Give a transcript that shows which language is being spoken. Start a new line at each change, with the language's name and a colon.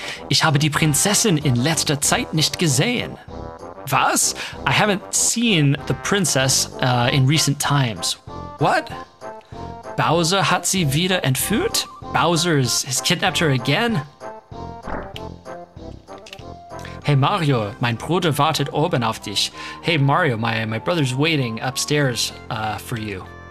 German: Ich habe die Prinzessin in letzter Zeit nicht gesehen. Was?
English: I haven't seen the princess in recent times. What?
German: Bowser hat sie wieder entführt?
English: Bowser has kidnapped her again?
German: Hey Mario, mein Bruder wartet oben auf dich.
English: Hey Mario, my brother's waiting upstairs for you.